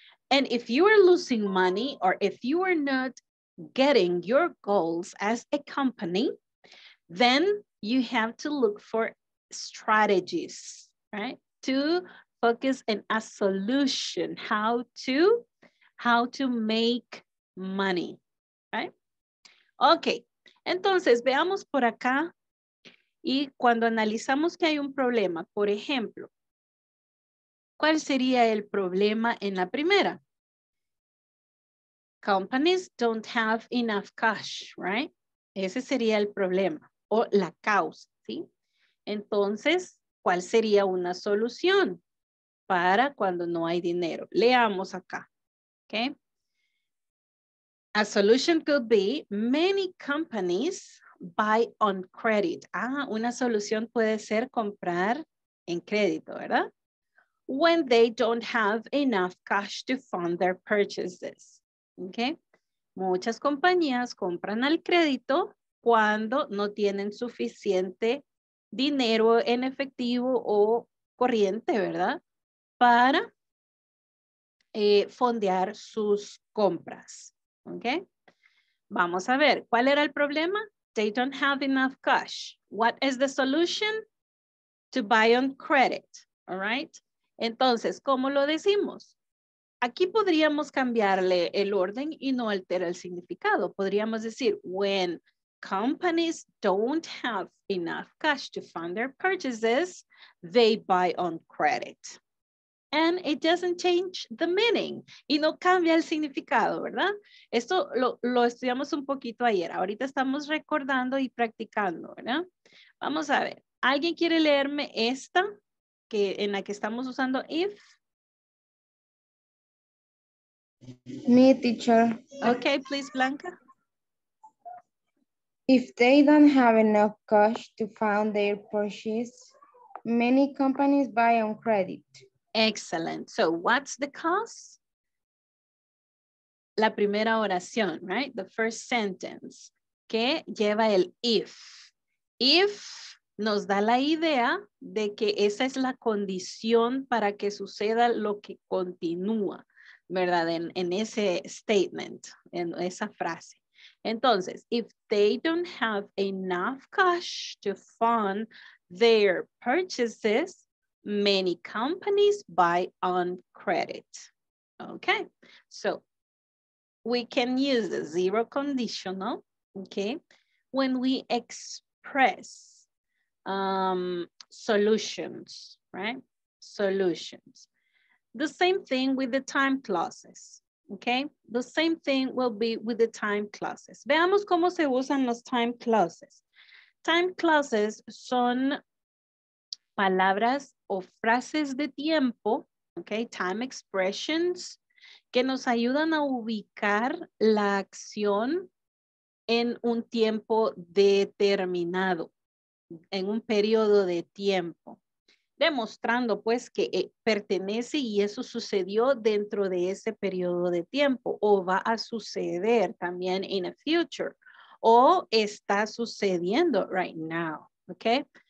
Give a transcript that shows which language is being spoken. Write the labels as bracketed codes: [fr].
[en] And if you are losing money or if you are not getting your goals as a company, then you have to look for strategies, right? To focus on a solution, how to make money, right? [es] Okay, entonces veamos por acá y cuando analizamos que hay un problema, por ejemplo, ¿cuál sería el problema en la primera? [en] Companies don't have enough cash, right? [es] Ese sería el problema o la causa, ¿sí? Entonces, ¿cuál sería una solución para cuando no hay dinero? Leamos acá. Okay. [en] A solution could be many companies buy on credit. [es] Ah, una solución puede ser comprar en crédito, ¿verdad? [en] When they don't have enough cash to fund their purchases. Okay. [es] Muchas compañías compran al crédito cuando no tienen suficiente dinero en efectivo o corriente, ¿verdad? Para fondear sus compras. Okay. Vamos a ver, ¿cuál era el problema? [en] They don't have enough cash. What is the solution? To buy on credit. All right. [es] Entonces, ¿cómo lo decimos? Aquí podríamos cambiarle el orden y no alterar el significado. Podríamos decir, [en] when companies don't have enough cash to fund their purchases, they buy on credit. And it doesn't change the meaning. [es] Y no cambia el significado, ¿verdad? Esto lo estudiamos un poquito ayer. Ahorita estamos recordando y practicando, ¿verdad? Vamos a ver. ¿Alguien quiere leerme esta que, en la que estamos usando if? [en] Me, teacher. Okay, please, Blanca. If they don't have enough cash to fund their purchase, many companies buy on credit. Excellent. So what's the cost? [es] La primera oración, [en] right? The first sentence. [es] ¿Qué lleva el if? If nos da la idea de que esa es la condición para que suceda lo que continúa, ¿verdad? En ese statement, en esa frase. Entonces, [en] if they don't have enough cash to fund their purchases, many companies buy on credit. Okay, so we can use the zero conditional, okay? When we express solutions, right? Solutions. The same thing with the time clauses, okay? The same thing will be with the time clauses. [es] Veamos cómo se usan los time clauses. Time clauses son palabras o frases de tiempo, okay, time expressions, que nos ayudan a ubicar la acción en un tiempo determinado, en un periodo de tiempo, demostrando pues que pertenece y eso sucedió dentro de ese periodo de tiempo o va a suceder también [en] in the future [es] o está sucediendo [en] right now, [es] okay?